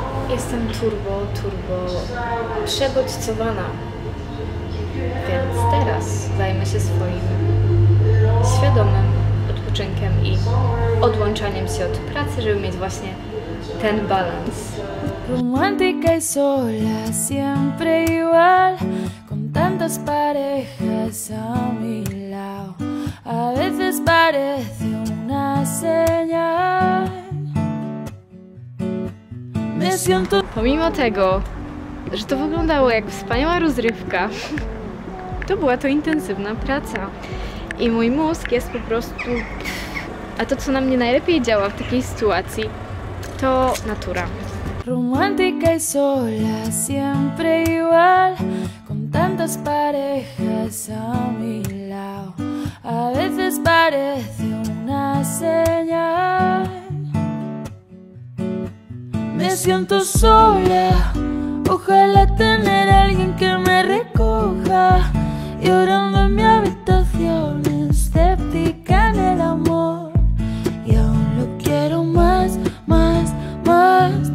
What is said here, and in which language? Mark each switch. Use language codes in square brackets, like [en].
[pl] Jestem turbo przebodźcowana, więc teraz zajmę się swoim świadomym odpoczynkiem i odłączaniem się od pracy, żeby mieć właśnie ten balans. [es] Romantyka i sola, siempre igual. Tantas parejas a mi lado, a veces parece una señal. Me siento... [pl] Pomimo tego, że to wyglądało jak wspaniała rozrywka, to była to intensywna praca. I mój mózg jest po prostu... A to, co na mnie najlepiej działa w takiej sytuacji, to natura. [es] Romantyka i sola, siempre igual. Tantas parejas a mi lado, a veces parece una señal. Me siento sola, ojalá tener alguien que me recoja, llorando en mi habitación, escéptica en el amor, y aún lo quiero más, más, más.